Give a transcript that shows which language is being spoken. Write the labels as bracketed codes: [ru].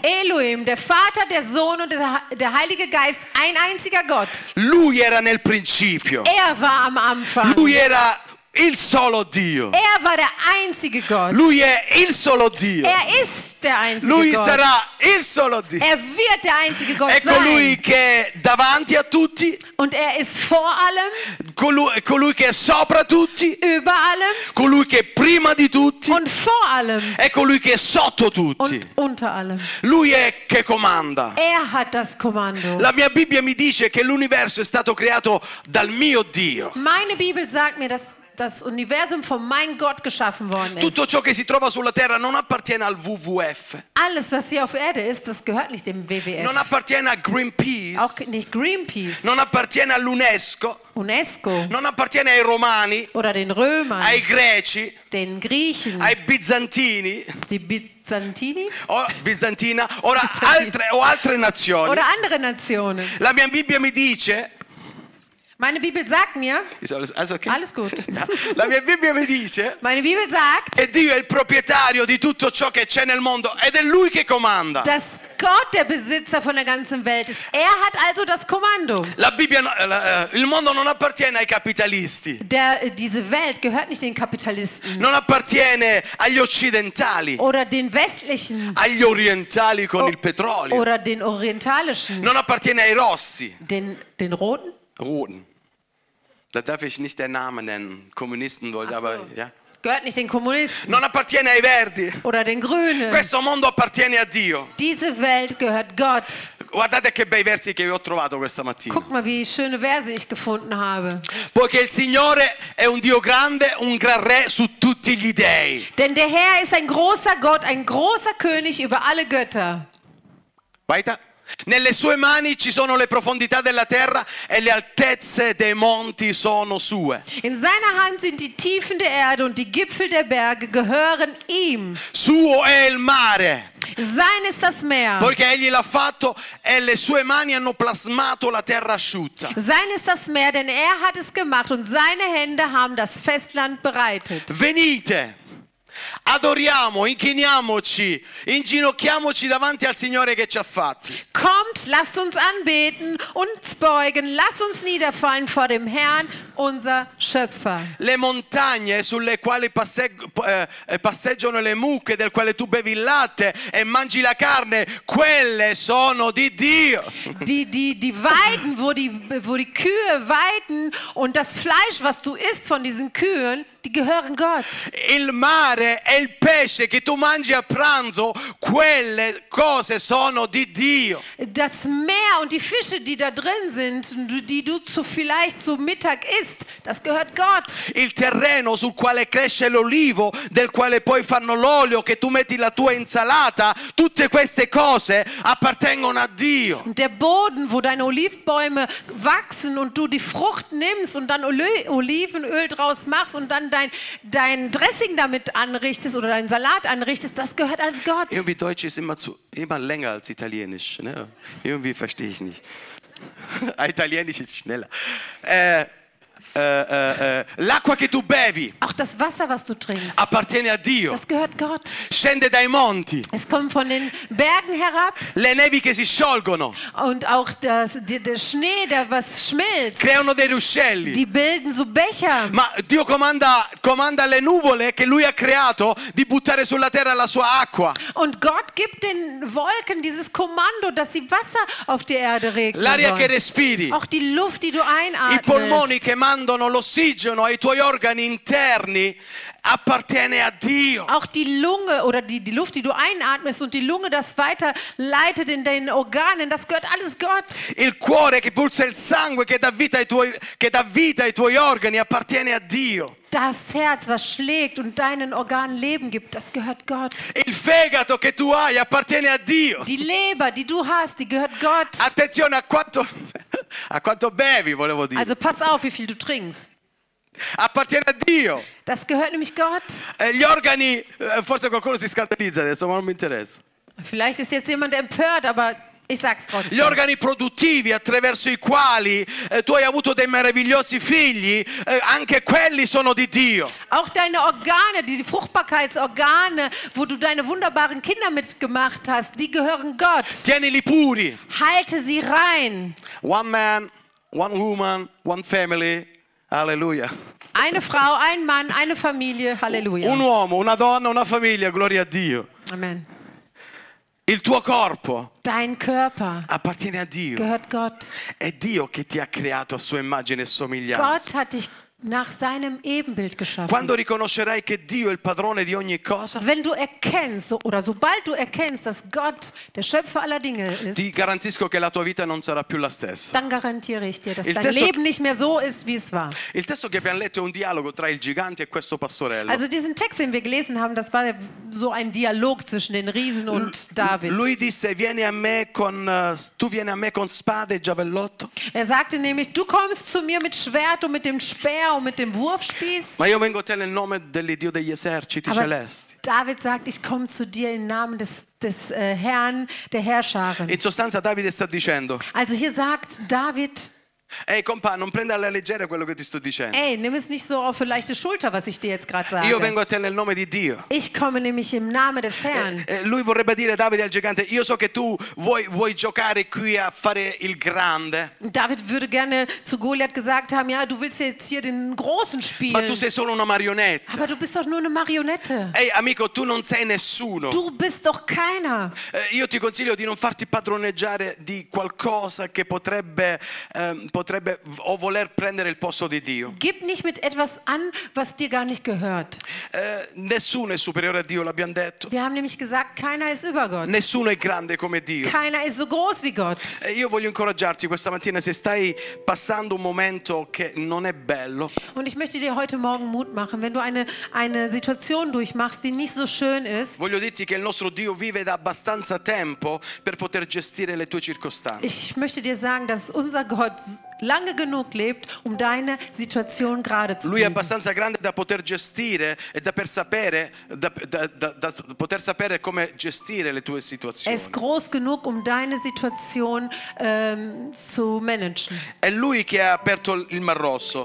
[de] Elohim, der Vater, der Sohn und der Heilige Geist, ein einziger Gott. [it] Lui era nel principio. [de] Er war am Anfang. [it] Lui era il solo Dio. [de] Er war der einzige Gott. [it] Lui è il solo Dio. [de] Er ist der einzige [it] Lui [de] Gott. [it] Lui sarà il solo Dio. [de] Er wird der einzige Gott [it] sein. È colui che è davanti a tutti. [de] Und er ist vor allem. [it] Colui che è sopra tutti. [de] Über allem. [it] Colui che è prima di tutti. [de] Und vor allem. [it] È colui che è sotto tutti. [de] Und unter allem. [it] Lui è che comanda. [de] Er hat das Kommando. [it] La mia Bibbia mi dice che l'universo è stato creato dal mio Dio. [de] Meine Bibel sagt mir, dass das Universum von meinem Gott geschaffen worden ist. [it] Tutto ciò che si trova sulla terra non appartiene al WWF. [de] Alles was hier auf Erde ist, das gehört nicht dem WWF. [it] Non appartiene a Greenpeace. [de] Auch nicht Greenpeace. [it] Non appartiene all'UNESCO. [de] UNESCO. [it] Non appartiene ai Romani. [de] Oder den Römern. [it] Ai Greci. [de] Den Griechen. [it] Ai Bizantini. [de] Die Bizantini. [it] O Bizantina. Ora altre o altre nazioni. [de] Oder andere Nationen. [it] La mia Bibbia mi dice. [de] Meine Bibel sagt mir, ist alles, okay? Alles gut. [it] La mia Bibbia mi dice, [de] meine Bibel sagt, [it] e Dio è il proprietario di tutto ciò che c'è nel mondo ed è lui che comanda. [de] Dass Gott der Besitzer von der ganzen Welt ist. Er hat also das Kommando. [it] La Bibbia, il mondo non appartiene ai capitalisti. [de] Diese Welt gehört nicht den Kapitalisten. [it] Non appartiene agli occidentali. [de] Oder den westlichen. [it] Agli orientali con il petrolio. [de] Oder den orientalischen. [it] Non appartiene ai rossi. [de] Den roten. Roten. Da darf ich nicht den Namen nennen. Kommunisten wollte, so. Aber ja. Gehört nicht den Kommunisten. [it] Non appartiene ai Verdi. [de] Oder den Grünen. [it] Questo mondo appartiene a Dio. [de] Diese Welt gehört Gott. [it] Guardate che bei versi che ho trovato questa mattina. [de] Guck mal, wie schöne Verse ich gefunden habe. [it] Poiché il Signore è un Dio grande, un gran re su tutti gli dei. [de] Denn der Herr ist ein großer Gott, ein großer König über alle Götter. Weiter. [it] Nelle sue mani ci sono le profondità della terra e le altezze dei monti sono sue. [de] In seiner Hand sind die Tiefen der Erde und die Gipfel der Berge gehören ihm. [it] Suo è il mare. [de] Sein ist das Meer. [it] Poiché egli l'ha fatto e le sue mani hanno plasmato la terra asciutta. [de] Sein ist das Meer, denn er hat es gemacht und seine Hände haben das Festland bereitet. [it] Venite. Adoriamo, inchiniamoci, inginocchiamoci davanti al Signore che ci ha fatti. [de] Kommt, lasst uns anbeten, uns beugen, lasst uns niederfallen vor dem Herrn, unser Schöpfer. [it] Le montagne sulle quali passeggiano le mucche, del quale tu bevi il latte e mangi la carne, quelle sono di Dio. [de] Die Weiden, wo die Kühe weiden und das Fleisch, was du isst von diesen Kühen, die gehören Gott. [it] Il mare e il pesce che tu mangi a pranzo, quelle cose sono di Dio. [de] Das Meer und die Fische, die da drin sind, die du vielleicht zu Mittag isst, das gehört Gott. [it] Il terreno sul quale cresce l'olivo, del quale poi fanno l'olio, che tu metti la tua insalata, tutte queste cose appartengono a Dio. [de] Der Boden, wo deine Olivbäume wachsen und du die Frucht nimmst und dann Olivenöl draus machst und dann dein Dressing damit anrichtest oder deinen Salat anrichtest, das gehört als Gott. Irgendwie Deutsch ist immer länger als Italienisch. Ne? Irgendwie verstehe ich nicht. Italienisch ist schneller. [it] L'acqua che tu bevi. [de] Auch das Wasser, was du trinkst. [it] Appartiene a Dio. [de] Das gehört Gott. [it] Scende dai monti. [de] Es kommt von den Bergen herab. [it] Le nevi che si sciolgono. [de] Und auch der Schnee, der was schmilzt. [it] Creano dei ruscelli. [de] Die bilden so Becher. [it] Ma Dio comanda le nuvole che lui ha creato di buttare sulla terra la sua acqua. [de] Und Gott gibt den Wolken dieses Kommando, dass sie Wasser auf die Erde regnen. [it] L'aria che respiri. [de] Auch die Luft, die du einatmest. [it] I polmoni che mandano l'ossigeno ai tuoi organi interni appartiene a Dio. [de] Auch die Lunge oder die Luft, die du einatmest und die Lunge das weiterleitet in deinen Organen, das gehört alles Gott. [it] Il cuore che pulsa il sangue che dà vita ai tuoi organi appartiene a Dio. [de] Das Herz, was schlägt und deinen Organen Leben gibt, das gehört Gott. [it] Il fegato che tu hai appartiene a Dio. [de] Die Leber, die du hast, die gehört Gott. [it] Attenzione a quanto bevi, volevo dire. [de] Also pass auf, wie viel du trinkst. [it] Appartiene a Dio. [de] Das gehört nämlich Gott. [it] Gli organi, forse qualcuno si scandalizza adesso, ma non mi interessa. [de] Vielleicht ist jetzt jemand empört, aber ich sag's trotzdem. [it] Gli organi produttivi attraverso i quali tu hai avuto dei meravigliosi figli, anche quelli sono di Dio. [de] Auch deine Organe, die Fruchtbarkeitsorgane, wo du deine wunderbaren Kinder mitgemacht hast, die gehören Gott. [it] Tienili puri. [de] Halte sie rein. [en] One man, one woman, one family. Alleluia. [de] Eine Frau, ein Mann, eine Familie. Halleluja. [it] Un uomo, una donna, una famiglia. Gloria a Dio. Amen. Il tuo corpo. [de] Dein Körper. [it] Appartiene a Dio. [de] Gehört Gott. [it] È Dio che ti ha creato a sua immagine e somiglianza. [de] Gott hat dich nach seinem Ebenbild geschaffen. [it] Quando riconoscerai che Dio è il padrone di ogni cosa. [de] Wenn du erkennst oder sobald du erkennst, dass Gott der Schöpfer aller Dinge ist. [it] Ti garantisco che la tua vita non sarà più la stessa. [de] Dann garantiere ich dir, dass dein Leben nicht mehr so ist, wie es war. [it] Il testo che abbiamo letto è un dialogo tra il gigante e questo pastorello. [de] Also diesen Text, den wir gelesen haben, das war so ein Dialog zwischen den Riesen und David. [it] Lui disse: "Vieni a me con spada e giavellotto." [de] Er sagte nämlich: "Du kommst zu mir mit Schwert und mit dem Speer." Mit dem Wurfspieß. [it] Ma io vengo a te nel nome dell'Iddio degli eserciti celesti. [de] David sagt, ich komme zu dir im Namen des Herrn der Herrscharen. [it] In sostanza Davide sta dicendo. [de] Also hier sagt David. [it] Ehi, compa, non prendere alla leggera quello che ti sto dicendo. [de] Ey, nimm es nicht so auf leichte Schulter, was ich dir jetzt gerade sage. [it] Io vengo a te nel nome di Dio. [de] Ich komme nämlich im Namen des Herrn. [it] Lui vorrebbe dire Davide al gigante, io so che tu vuoi giocare qui a fare il grande. [de] David würde gerne zu Goliath gesagt haben, ja, du willst jetzt hier den großen spielen. [it] Ma tu sei solo una marionetta. [de] Aber du bist doch nur eine Marionette. [it] Ey, amico, tu non sei nessuno. [de] Du bist doch keiner. [it] Io ti consiglio di non farti padroneggiare di qualcosa che potrebbe o voler prendere il posto di Dio. [de] Gib nicht mit etwas an, was dir gar nicht gehört. [it] Nessuno è superiore a Dio, l'abbiamo detto. [de] Wir haben nämlich gesagt, keiner ist über Gott. [it] Nessuno è grande come Dio. [de] Keiner ist so groß wie Gott. [it] Io voglio incoraggiarti questa mattina se stai passando un momento che non è bello. [de] Und ich möchte dir heute Morgen Mut machen, wenn du eine Situation durchmachst, die nicht so schön ist. [it] Voglio dirti che il nostro Dio vive da abbastanza tempo per poter gestire le tue circostanze. [de] Ich möchte dir sagen, dass unser Gott lange genug lebt, um deine Situation gerade zu bringen. [it] Lui è abbastanza grande da poter gestire e da per sapere da poter sapere come gestire le tue situazioni. [de] Er ist groß genug, um deine Situation zu managen. [it] È lui che ha aperto il Mar Rosso.